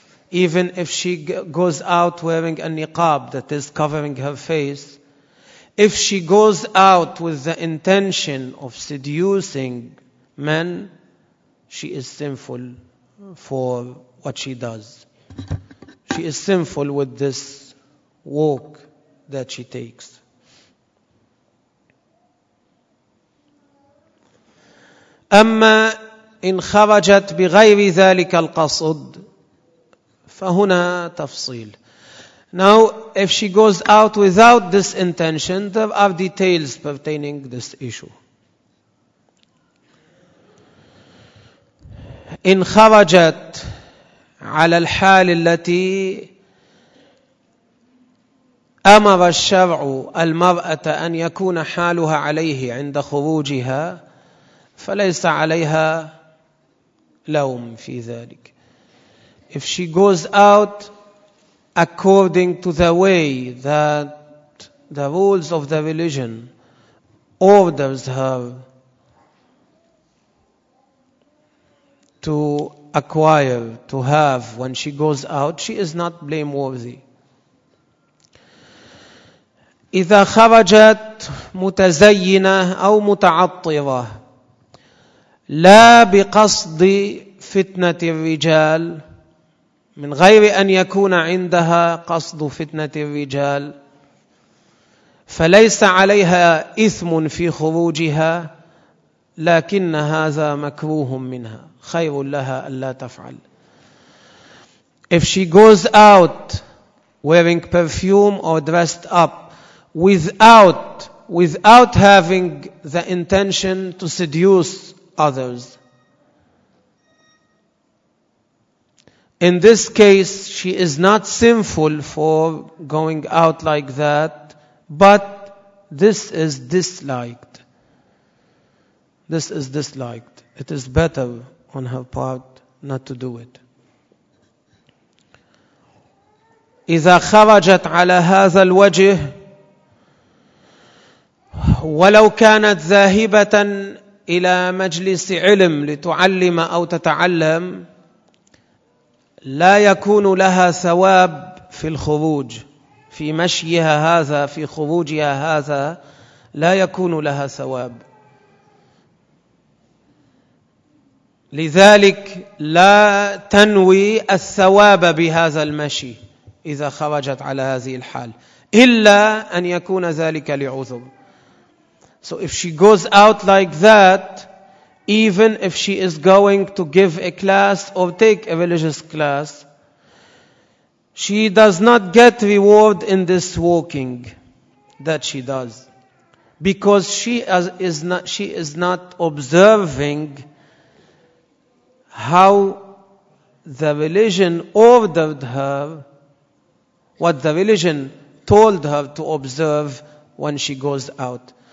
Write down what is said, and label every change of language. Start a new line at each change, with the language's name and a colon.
English: even if she goes out wearing a niqab, that is covering her face, if she goes out with the intention of seducing men, she is sinful for what she does. She is sinful with this walk that she takes.
Arabic: أما إن خرجت بغير ذلك القصد فهنا تفصيل.
English: Now, if she goes out without this intention, there are details pertaining this issue.
Arabic: إن خرجت على الحال التي أمر الشرع المرأة أن يكون حالها عليه عند خروجها فليس عليها لوم في ذلك.
English: If she goes out according to the way that the rules of the religion orders her to acquire, to have when she goes out, she is not blameworthy.
Arabic: إذا خرجت متزينة أو متعطرة لا بقصد فتنة الرجال من غير أن يكون عندها قصد فتنة الرجال فليس عليها إثم في خروجها لكن هذا مكروه منها خير لها ألا تفعل.
English: If she goes out wearing perfume or dressed up without having the intention to seduce others, in this case, she is not sinful for going out like that, but this is disliked. This is disliked. It is better on her part not to do it.
Arabic: إذا خرجت على هذا الوجه ولو كانت ذاهبة إلى مجلس علم لتعلم أو تتعلم لا يكون لها ثواب في الخروج في مشيها هذا في خروجها هذا لا يكون لها ثواب لذلك لا تنوي الثواب بهذا المشي إذا خرجت على هذه الحال إلا أن يكون ذلك لعذر.
English: So if she goes out like that, even if she is going to give a class or take a religious class, she does not get reward in this walking that she does, because she is not observing how the religion ordered her, what the religion told her to observe when she goes out.